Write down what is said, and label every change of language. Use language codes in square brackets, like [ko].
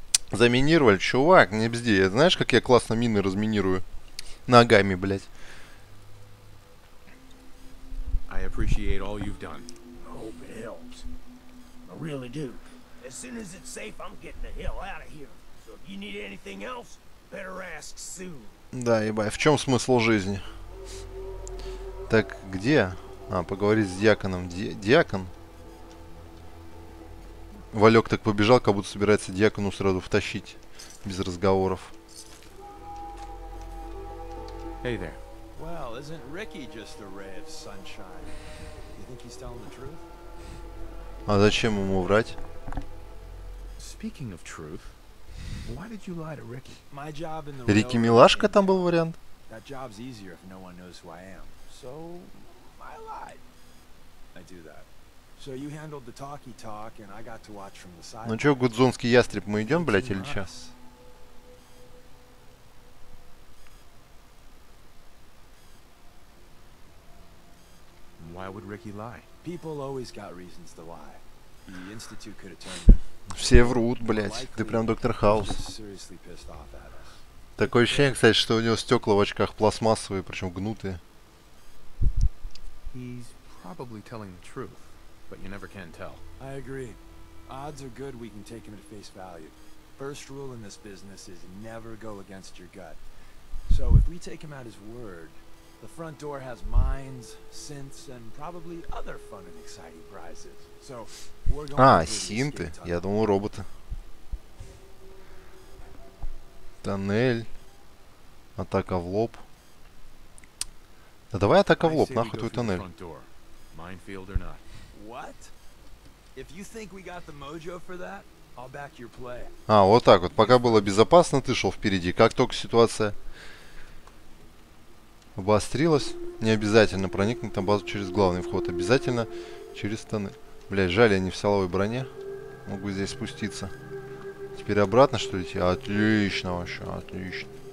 [ru] Заминировали, чувак, не бзди. Знаешь, как я классно мины разминирую? Ногами, блять. [en] I appreciate all you've done. I hope it helps. I really do. As soon as it's safe, I'm getting the hell out of here. So if you need anything else, better ask soon. [ru] Да, ебай, в чем смысл жизни? Так, где? А, поговорить с дьяконом. Диакон? Валек так побежал, как будто собирается дьякону сразу втащить. Без разговоров. [en] Hey there. Well, isn't Ricky just a ray of sunshine? You think he's telling the truth? [ru] А зачем ему врать? [en] Speaking of truth, why did you lie to Ricky? My job in the railroad. [ru] Ricky Милашка там был вариант. [en] That job's easier if no one knows who I am. So I lied. I do that. So you handled the talky talk, and I got to watch from the side. [ru] Ну чё, гудзонский ястреб, мы идем, блять, или чё? [en] Why would Ricky lie? People always got reasons to lie. The institute could have turned. [ru] Все врут, блять. Ты прям доктор Хаус. [en] Seriously pissed off at us. [ru] Такое ощущение, кстати, что у него стекла в очках пластмассовые, причем гнутые. [en] He's probably telling the truth, but you never can tell. I agree. Odds are good we can take him at face value. First rule in this business is never go against your gut. So if we take him at his word. The front door has mines, synths, and probably other fun and exciting prizes. So we're going. [ru] А, синты? Я думал, роботы. Тоннель. Атака в лоб. Да давай атака в лоб, нахуй твой тоннель. [en] What? If you think we got the mojo for that, I'll back your play. [ru] А, вот так вот. Пока было безопасно, ты шел впереди. Как только ситуация обострилась, не обязательно проникнуть на базу через главный вход, обязательно через станы. Блять, жаль, я не в силовой броне. Могу здесь спуститься. Теперь обратно, что ли, идти? Отлично вообще, отлично.